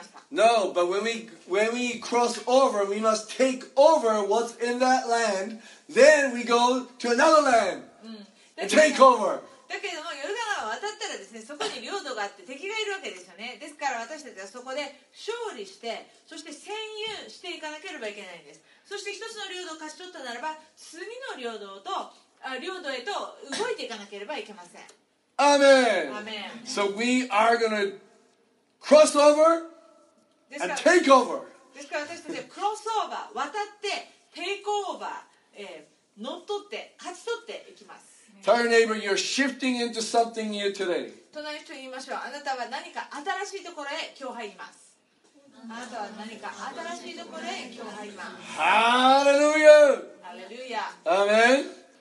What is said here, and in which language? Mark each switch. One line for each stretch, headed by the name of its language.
English: No, but when we cross over, we must take over what's in that land. Then we go to another land and take over.
Japanese: だけどもヨルダン川を渡ったらですね、そこに領土があって敵がいるわけですよね。ですから私たちはそこで勝利して、そして占有していかなければいけないんです。そして一つの領土を勝ち取ったならば、次の領土と領土へと動いていかなければいけません。アーメン。アーメン。
English: So we are gonna cross over and take over.
Japanese: ですから私たちはクロスオーバー、渡ってテイクオーバー、乗っ取って勝ち取っていきます。
English: Tell your neighbor you're shifting into something new today.
Japanese: 隣の人に言いましょう。あなたは何か新しいところへ今日入ります。あなたは何か新しいところへ今日入ります。ハレルヤ。ハレルヤ。アメン。